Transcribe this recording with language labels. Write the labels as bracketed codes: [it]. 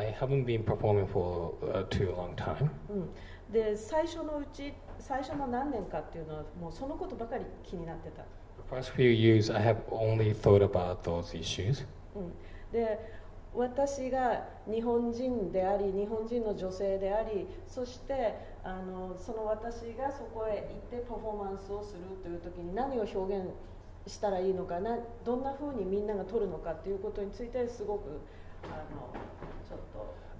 [en] I haven't been performing for too long time. [ja] で最初の何年かっていうのはもうそのことばかり気になってた。 [en] First few years, I have only thought about those issues. [ja] で、私が日本人であり、日本人の女性であり、そしてその私がそこへ行ってパフォーマンスをするという時に何を表現したらいいのか、どんな風にみんなが撮るのかということについてすごくちょっと。